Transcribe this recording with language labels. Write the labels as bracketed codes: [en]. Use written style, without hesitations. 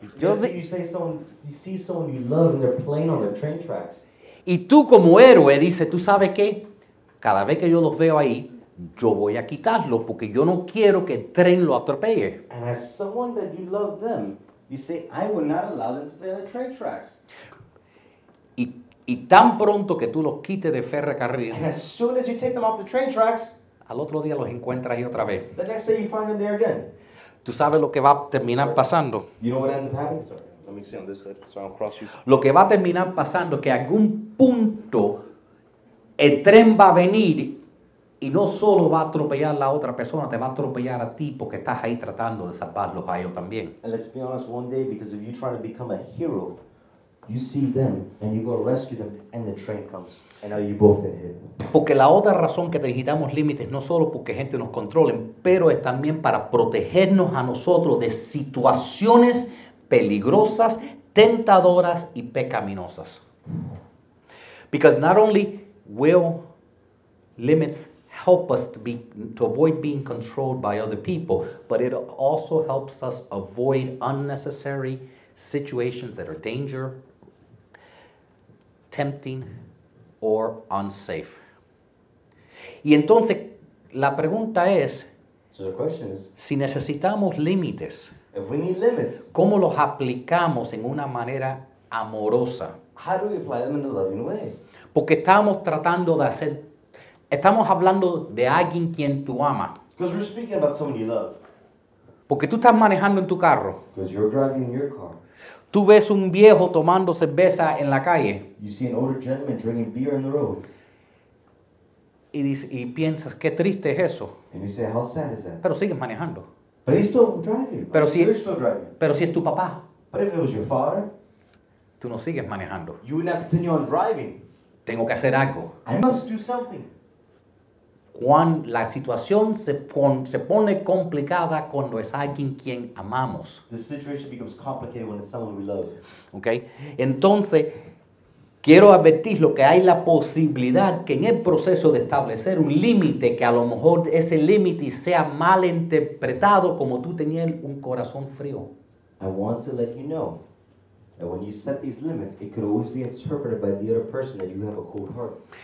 [en] You see someone you love and they're playing on their train tracks. [es] Y tú como héroe dices, ¿tú sabes qué? Cada vez que yo los veo ahí, yo voy a quitarlo porque yo no quiero que el tren lo atropelle. [en] And as someone that you love them, you say, I will not allow them to play on the train tracks. [es] Y tan pronto que tú los quites de ferrocarril. [en] And as soon as you take them off the train tracks. [es] Al otro día los encuentras ahí otra vez. [en] The next day you find them there again. [es] ¿Tú sabes lo que va a terminar pasando? [en] You know what ends up happening? Sorry. Let me see on this side, so I'll cross you. [es] Lo que va a terminar pasando es que a algún punto el tren va a venir y no solo va a atropellar a la otra persona, te va a atropellar a ti porque estás ahí tratando de salvarlos a ellos también. [en] And let's be honest, one day, because if you try to become a hero, you see them and you go rescue them and the train comes. And now you both get hit. [es] Porque la otra razón que necesitamos límites no solo porque gente nos controle, pero es también para protegernos a nosotros de situaciones peligrosas, tentadoras y pecaminosas. [en] Because not only will limits help us to avoid being controlled by other people, but it also helps us avoid unnecessary situations that are danger, tempting, or unsafe. [es] Y entonces, la pregunta es, [en] so the question is, [es] si necesitamos límites, [en] if we need limits, [es] ¿cómo los aplicamos en una manera amorosa? [en] How do we apply them in a loving way? [es] Porque estamos tratando de hacer, estamos hablando de alguien quien tú amas. [en] Because we're speaking about someone you love. [es] Porque tú estás manejando en tu carro. [en] Because you're driving your car. [es] Tú ves un viejo tomando cerveza en la calle. [en] You see an older gentleman drinking beer in the road. [es] Y piensas, qué triste es eso. [en] And you say, how sad is that? [es] Pero sigues manejando. [en] But he's still driving. [es] Pero si [en] you're still driving. [es] Pero si es tu papá. [en] But if it was your father, [es] tú no sigues manejando. [en] You would not continue on driving. [es] Tengo que hacer algo. [en] I must do something. [es] Cuando la situación se pone complicada cuando es alguien quien amamos. [en] The situation becomes complicated when it's someone we love. Okay. [es] Entonces, quiero advertir lo que hay la posibilidad que en el proceso de establecer un límite, que a lo mejor ese límite sea mal interpretado como tú tenías un corazón frío. [en] I want to let you know that when you set these limits, it could always be interpreted by the other person that you have a cold heart.